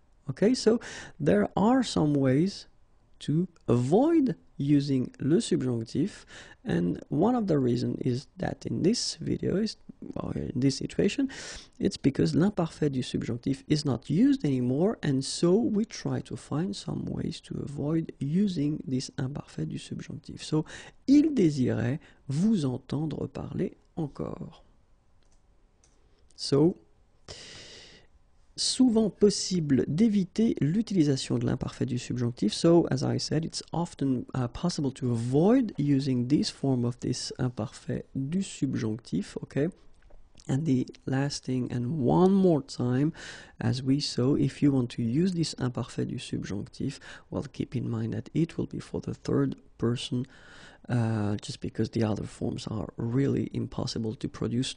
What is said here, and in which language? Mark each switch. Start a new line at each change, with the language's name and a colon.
English: Okay, so there are some ways to avoid using le subjunctif, and one of the reasons is that in this video, in this situation, it's because l'imparfait du subjunctif is not used anymore, and so we try to find some ways to avoid using this imparfait du subjunctif.
French: So, il désirait vous entendre parler encore. So, souvent possible d'éviter l'utilisation de l'imparfait du subjonctif.
English: So, as I said, it's often possible to avoid using this form of this imparfait du subjonctif, okay? And the last thing, and one more time, as we saw, if you want to use this imparfait du subjonctif, well, keep in mind that it will be for the third person, just because the other forms are really impossible to produce.